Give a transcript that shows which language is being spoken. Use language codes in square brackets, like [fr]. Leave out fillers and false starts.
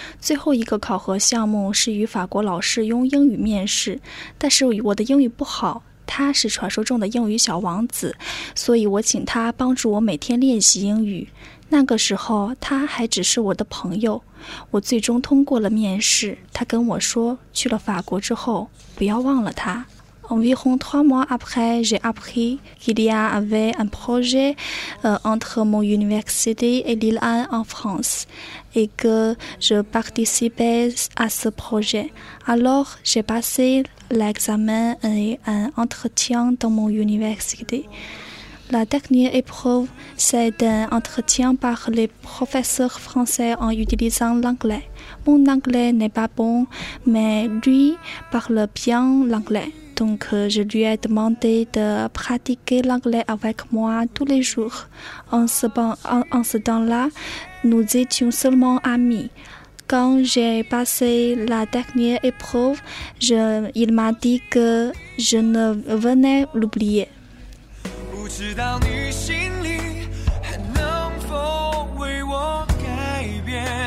[zh] 最后一个考核项目是与法国老师用英语面试，但是我的英语不好，他是传说中的英语小王子，所以我请他帮助我每天练习英语。那个时候他还只是我的朋友，我最终通过了面试。他跟我说，去了法国之后不要忘了他。 [fr] Environ trois mois après, j'ai appris qu'il y avait un projet entre mon université et Lille-Anne en France et que je participais à ce projet. Alors, j'ai passé l'examen et un entretien dans mon université. La dernière épreuve, c'est un entretien par les professeurs français en utilisant l'anglais. Mon anglais n'est pas bon, mais lui parle bien l'anglais. Donc, je lui ai demandé de pratiquer l'anglais avec moi tous les jours. En ce temps-là, nous étions seulement amis. Quand j'ai passé la dernière épreuve, il m'a dit que je ne venais l'oublier. [zh] 不知道你心里还能否为我改变